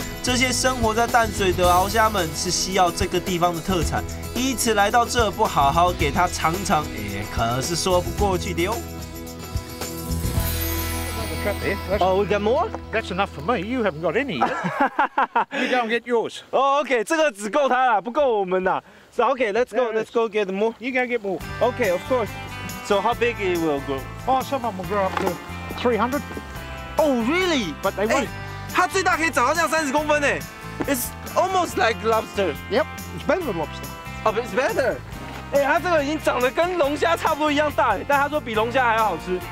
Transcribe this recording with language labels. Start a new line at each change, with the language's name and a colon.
Chinese: 这些生活在淡水的鳌虾们是西澳这个地方的特产，依此来到这不好好给它尝尝，可是说不过去的哟。
English: Oh, we got more? That's enough for me. You haven't got any. You don't get yours. Oh, okay.
Chinese: 这个只够他了，不够我们呐。
English: So, okay, let's go. Let's go get more. You can get more. Okay, of course. So, how big it will grow? Oh, some of them will grow up to 300. Oh, really? But they won't.
Chinese: 它最大可以长到这样30公分呢.
English: It's almost like lobster. Yep, it's better than lobster. Oh, it's better.
Chinese: 它这个已经长得跟龙虾差不多一样大，但它说比龙虾还要好吃.